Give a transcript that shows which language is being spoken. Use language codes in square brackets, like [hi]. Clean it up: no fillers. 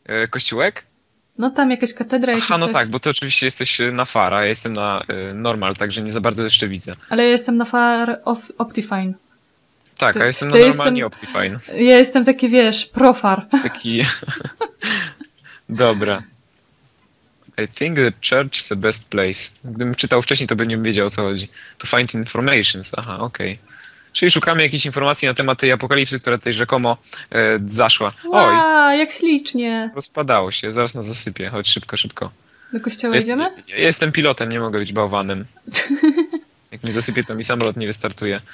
[pl] Kościółek? No tam jakaś katedra, aha, jakieś no coś. Tak, bo ty oczywiście jesteś na far, a ja jestem na normal, także nie za bardzo jeszcze widzę. Ale ja jestem na far of Optifine. Tak, a ja jestem na no normalnie Optifine. Ja jestem taki, wiesz, profar. Taki... Dobra. [en] I think the church is the best place. [pl] Gdybym czytał wcześniej, to bym nie wiedział, o co chodzi. [en] To find informations. [pl] Aha, okej. Okay. Czyli szukamy jakichś informacji na temat tej apokalipsy, która tutaj rzekomo zaszła. Oj! Wow, jak ślicznie! Rozpadało się, zaraz nas zasypie. Chodź szybko, szybko. Do kościoła idziemy? Ja jestem pilotem, nie mogę być bałwanem. Jak mnie zasypie, to mi samolot nie wystartuje.